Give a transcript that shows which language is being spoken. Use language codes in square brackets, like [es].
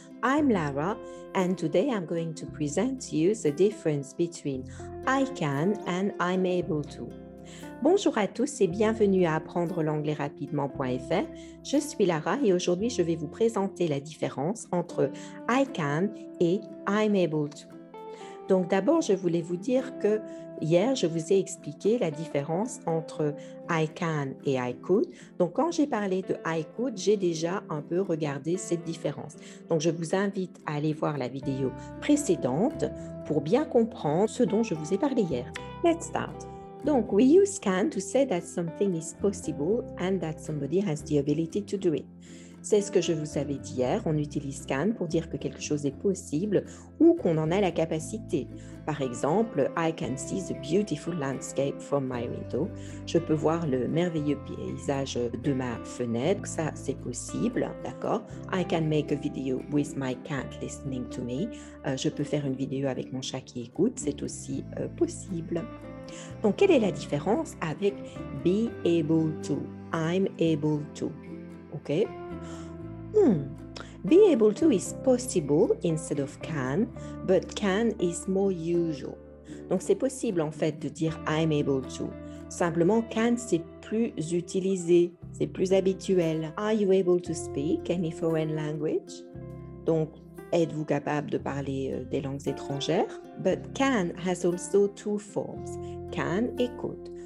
[en] I'm Lara and today I'm going to present to you the difference between I can and I'm able to. [fr] Bonjour à tous et bienvenue à apprendrelanglaisrapidement.fr. Je suis Lara et aujourd'hui je vais vous présenter la différence entre I can et I'm able to. Donc d'abord, je voulais vous dire que hier, je vous ai expliqué la différence entre I can et I could. Donc quand j'ai parlé de I could, j'ai déjà un peu regardé cette différence. Donc je vous invite à aller voir la vidéo précédente pour bien comprendre ce dont je vous ai parlé hier. [en] Let's start. Donc we use can to say that something is possible and that somebody has the ability to do it. [fr] C'est ce que je vous avais dit hier, on utilise can pour dire que quelque chose est possible ou qu'on en a la capacité. Par exemple, [en] I can see the beautiful landscape from my window. [fr] Je peux voir le merveilleux paysage de ma fenêtre. Ça, c'est possible, d'accord? [en] I can make a video with my cat listening to me. [fr] Je peux faire une vidéo avec mon chat qui écoute, c'est aussi possible. Donc, quelle est la différence avec be able to? [en] I'm able to. OK? Be able to is possible instead of can, but can is more usual. [fr] Donc c'est possible en fait de dire I'm able to. Simplement can c'est plus utilisé, c'est plus habituel. [en] Are you able to speak any foreign language? [fr] Donc êtes-vous capable de parler des langues étrangères? [en] But can has also two forms, can et could.